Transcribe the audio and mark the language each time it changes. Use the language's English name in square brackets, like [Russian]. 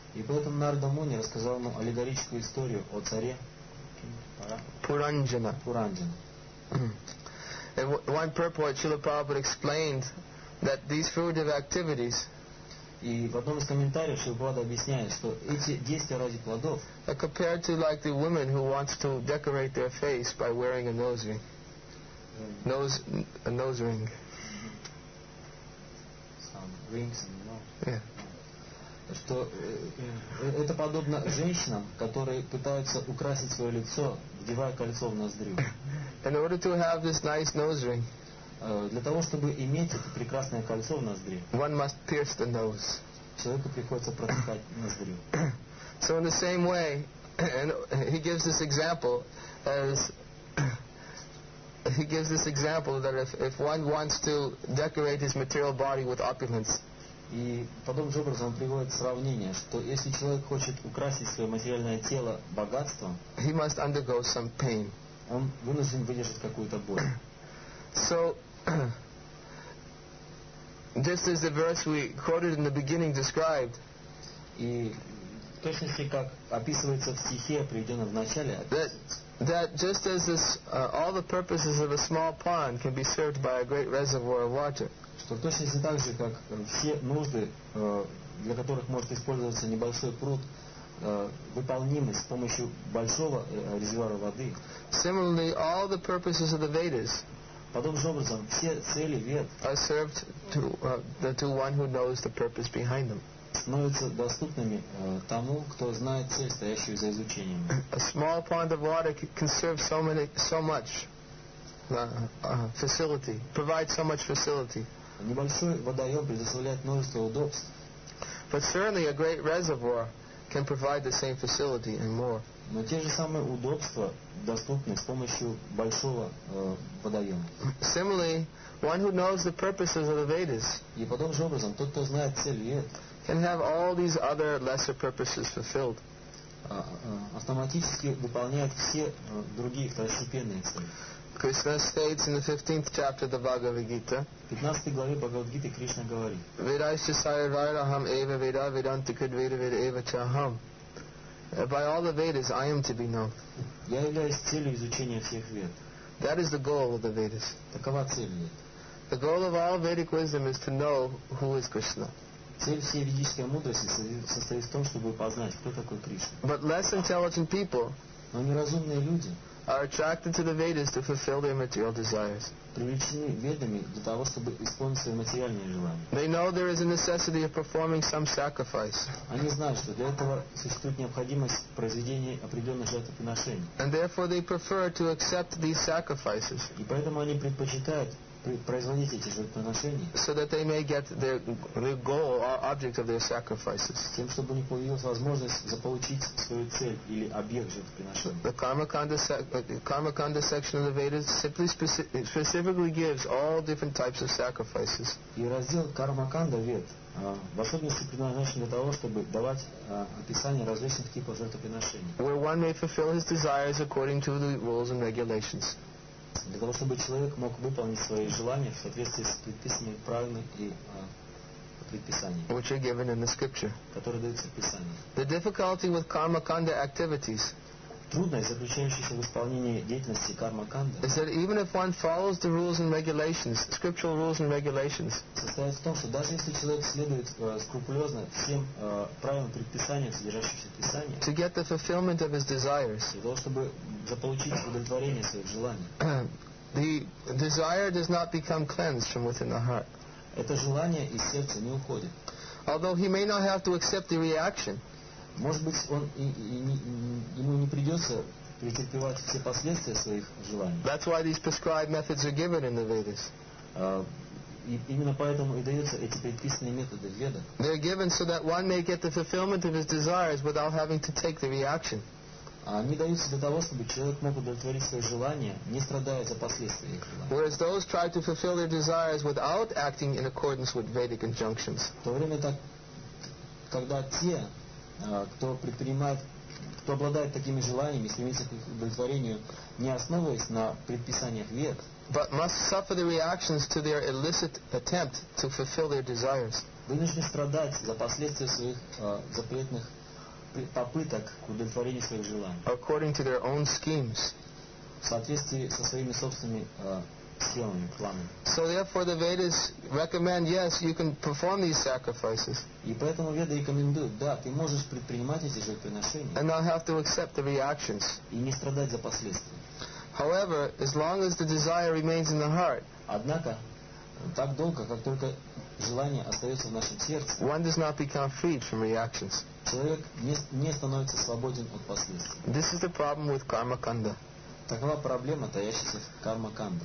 [Russian] И поэтому Нарада Муни рассказал ему аллегорическую историю о царе [English] Puranjana. Puranjana. And one purport Srila Prabhupada explained that these fruitive activities. [Russian] И в одном из комментариев Шилпада объясняет, что эти действия ради плодов. [English] Compared to like the women who wants to decorate their face by wearing a nose ring. A nose ring. Some rings and nose. Yeah. [Russian] Что это подобно женщинам, которые пытаются украсить свое лицо, вдевая кольцо в ноздрю. [English] In order to have this nice nose ring. [Russian] Для того, чтобы иметь это прекрасное кольцо в ноздре, [English] one must pierce the nose. [Russian] Человеку приходится протыкать ноздрю. [English] So in the same way, and he gives this example that if one wants to decorate his material body with opulence. [Russian] И подобным же образом он приводит сравнение, что если человек хочет украсить свое материальное тело богатством, [English] he must undergo some pain. [Russian] Он вынужден выдержать какую-то боль. [English] So just as the verse we quoted in the beginning described, that just as this, all the purposes of a small pond can be served by a great reservoir of water, [Russian] для которых может использоваться небольшой пруд, выполнимы с помощью большого резервуара воды. [English] Similarly, all the purposes of the Vedas. [Russian] Подобным образом, все цели вед [English] served to one who knows the purpose behind them. [Russian] Становятся доступными тому, кто знает цель, стоящую за изучением. [English] A small pond of water can serve so much facility, provide so much facility. [Russian] Небольшой водоем предоставляет множество удобств. [English] But certainly a great reservoir can provide the same facility and more. [Russian] Но те же самые удобства доступны с помощью большого водоема. [English] Similarly, one who knows the purposes of the Vedas. [Russian] И подобным же образом, тот, кто знает цель Вед, [English] can have all these other lesser purposes fulfilled. [Russian] Автоматически выполняет все другие второстепенные цели. [English] Krishna states in the 15th chapter of the Bhagavad Gita. [Russian] 15 главе Бхагавад Гиты Кришна говорит. [Sanskrit] Vedaisya sarvairaham eva veda vedantikrit veda veda eva chaham. [English] By all the Vedas, I am to be known. [Russian] Я являюсь целью изучения всех Вед. [English] That is the goal of the Vedas. [Russian] Такова цель Вед. [English] The goal of all Vedic wisdom is to know who is Krishna. [Russian] Цель всей ведической мудрости состоит в том, чтобы познать, кто такой Кришна. [English] But less intelligent people. [Russian] Но неразумные люди. [English] Are attracted to the Vedas to fulfill their material desires. [Russian] Привлечены ведами для того, чтобы исполнить свои материальные желания. [English] They know there is a necessity of performing some sacrifice. [Russian] Они знают, что для этого существует необходимость произведения определенных жертвоприношений. [English] And therefore they prefer to accept these sacrifices. [Russian] И поэтому они предпочитают производить эти жертвоприношения. [English] So that they may get the goal or object of their sacrifices. [Russian] Тем, чтобы у них появилась возможность заполучить свою цель или объект жертвоприношения. [English] The Karmakanda section of the Vedas simply specifically gives all different types of sacrifices. [Russian] И раздел Кармаканда Вед в особенности предназначен для того, чтобы давать описание различных типов жертвоприношений. [English] Where one may fulfill his desires according to the rules and regulations. [Russian] Для того, чтобы человек мог выполнить свои желания в соответствии с предписанными правилами и предписаниями, [English] which are given in the scripture. [Russian] Которые даются в Писании. [English] The difficulty with karmakanda activities. [Russian] Трудность, заключающаяся в исполнении деятельности кармаканда. [English] Is that even if one follows the rules and regulations, scriptural rules and regulations. [Russian] Состоит в том, что даже если человек следует скрупулезно всем правилам предписаниям, содержащимся в Писании. [English] To get the fulfillment of his desires. [Russian] Для того, чтобы заполучить удовлетворение своих желаний. [English] The desire does not become cleansed from within the heart. [Russian] Это желание из сердца не уходит. [English] Although he may not have to accept the reaction. [Russian] Может быть, он ему не придется претерпевать все последствия своих желаний. [English] That's why these prescribed methods are given in the Vedas. [Russian] И именно поэтому и даются эти предписанные методы в Ведах. [English] They're given so that one may get the fulfillment of his desires without having to take the reaction. [Russian] Они даются для того, чтобы человек мог удовлетворить свои желания, не страдая за последствия их желания. [English] Whereas those try to fulfill their desires without acting in accordance with Vedic injunctions. [Russian] В то время так, когда те, кто предпринимает, кто обладает такими желаниями, стремится к их удовлетворению, не основываясь на предписаниях Вед, [English] but must suffer the reactions to their illicit attempt to fulfill their desires. [Russian] Вынуждены страдать за последствия своих запретных попыток к удовлетворению своих желаний. [English] According to their own schemes. [Russian] В соответствии со своими собственными схемами, планами. [English] So therefore the Vedas recommend, yes, you can perform these sacrifices. [Russian] И поэтому Веды рекомендуют, да, ты можешь предпринимать эти жертвоприношения. [English] And not have to accept the reactions. [Russian] И не страдать за последствия. [English] However, as long as the desire remains in the heart, [Russian] однако, так долго, как только желание остается в нашем сердце, [English] one does not become freed from reactions. [Russian] Человек не становится свободен от последствий. [English] This is the problem with karma kanda. [Russian] Такова проблема, таящаяся в карма канда.